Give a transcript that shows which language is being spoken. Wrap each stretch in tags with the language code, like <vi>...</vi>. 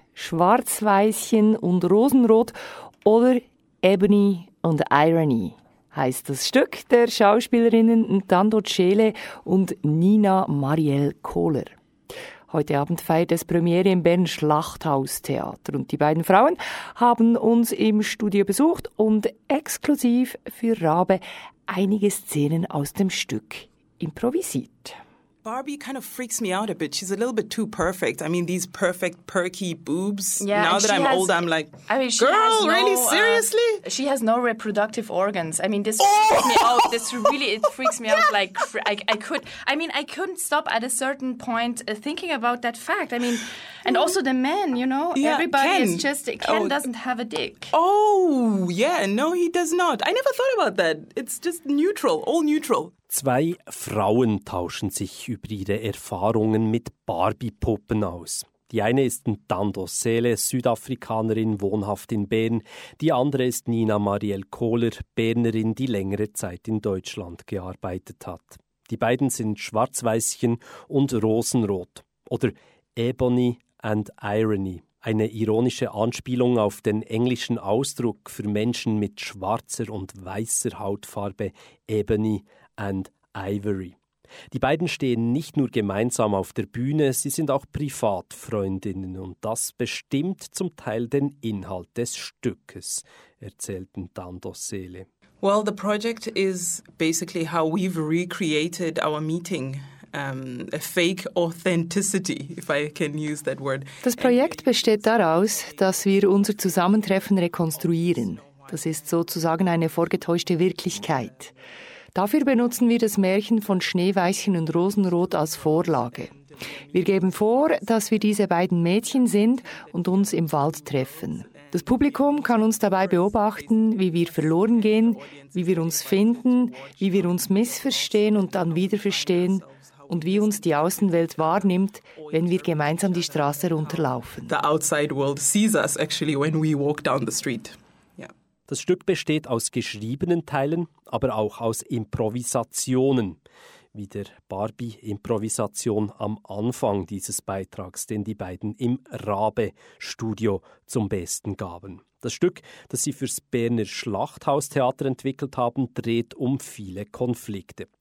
<de>Schwarz-Weißchen und Rosenrot oder Ebony und Irony heißt das Stück der Schauspielerinnen Ntando Tshele und Nina Marielle Kohler. Heute Abend feiert es Premiere im Berner Schlachthaustheater und die beiden Frauen haben uns im Studio besucht und exklusiv für Rabe einige Szenen aus dem Stück improvisiert.</de> <en>Barbie kind of freaks me out a bit. She's a little bit too perfect. I mean, these perfect, perky boobs. Yeah, now that I'm old, I'm like, I mean, girl, no, really, seriously? She has no reproductive organs. I mean, this freaks me out. This really, it freaks me out. Like, I couldn't stop at a certain point thinking about that fact. I mean, and also the men, you know? Yeah, everybody Ken. Is just, Ken oh. doesn't have a dick. Oh, yeah, no, he does not. I never thought about that. It's just neutral, all neutral.</en> <de>Zwei Frauen tauschen sich über ihre Erfahrungen mit Barbie-Puppen aus. Die eine ist Ntando Tshele, Südafrikanerin, wohnhaft in Bern. Die andere ist Nina Marielle Kohler, Bernerin, die längere Zeit in Deutschland gearbeitet hat. Die beiden sind Schwarzweißchen und Rosenrot. Oder Ebony and Irony. Eine ironische Anspielung auf den englischen Ausdruck für Menschen mit schwarzer und weißer Hautfarbe, Ebony and Ivory. Die beiden stehen nicht nur gemeinsam auf der Bühne, sie sind auch Privatfreundinnen und das bestimmt zum Teil den Inhalt des Stückes, erzählt Ntando Tshele.</de> <en>Well, the project is basically how we've recreated our meeting. A fake authenticity, if I can use that word.</en> <de>Das Projekt besteht daraus, dass wir unser Zusammentreffen rekonstruieren. Das ist sozusagen eine vorgetäuschte Wirklichkeit. Dafür benutzen wir das Märchen von Schneeweißchen und Rosenrot als Vorlage. Wir geben vor, dass wir diese beiden Mädchen sind und uns im Wald treffen. Das Publikum kann uns dabei beobachten, wie wir verloren gehen, wie wir uns finden, wie wir uns missverstehen und dann wieder verstehen und wie uns die Außenwelt wahrnimmt, wenn wir gemeinsam die Straße runterlaufen.</de> <en>The outside world sees us actually when we walk down the street.</en> <de>Das Stück besteht aus geschriebenen Teilen, aber auch aus Improvisationen, wie der Barbie-Improvisation am Anfang dieses Beitrags, den die beiden im Rabe-Studio zum Besten gaben. Das Stück, das sie fürs Berner Schlachthaustheater entwickelt haben, dreht um viele Konflikte.</de>